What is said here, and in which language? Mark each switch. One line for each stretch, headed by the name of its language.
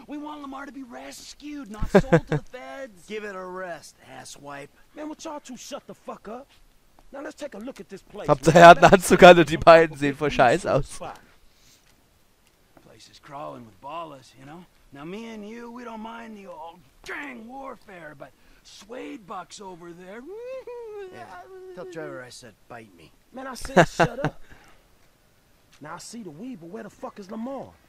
English: We want Lamar to be rescued, not sold to the feds. Give it a rest, asswipe. Man, what's all to shut the fuck up? Now let's take a look at this place.
German: Habt ihr einen Anzug an und die beiden sehen voll scheiß aus.
English: Place is crawling with ballers, you know? Now me and you, we don't mind the old gang warfare, but Suede Bucks over there. Yeah. Tell Trevor I said bite me. Man, I said shut up. Now I see the weed, but where the fuck is Lamar?